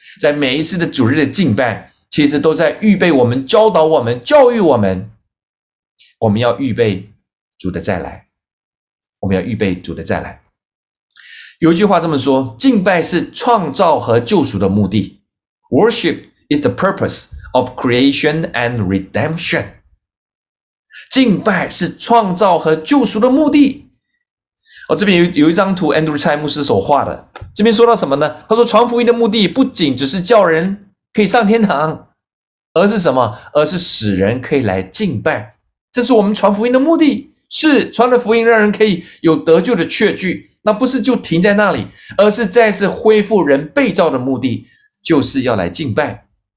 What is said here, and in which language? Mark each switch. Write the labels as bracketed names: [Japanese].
[Chinese] 在每一次的主日的敬拜，其实都在预备我们，教导我们，教育我们，我们要预备主的再来，我们要预备主的再来。有一句话这么说，敬拜是创造和救赎的目的。 [English] Worship is the purpose of creation and redemption. [Chinese] 敬拜是创造和救赎的目的。哦，这边有一张图 Andrew Chai 牧师所画的，这边说到什么呢？他说传福音的目的不仅只是叫人可以上天堂，而是什么？而是使人可以来敬拜。这是我们传福音的目的，是传了福音让人可以有得救的确据，那不是就停在那里，而是再次恢复人被造的目的，就是要来敬拜。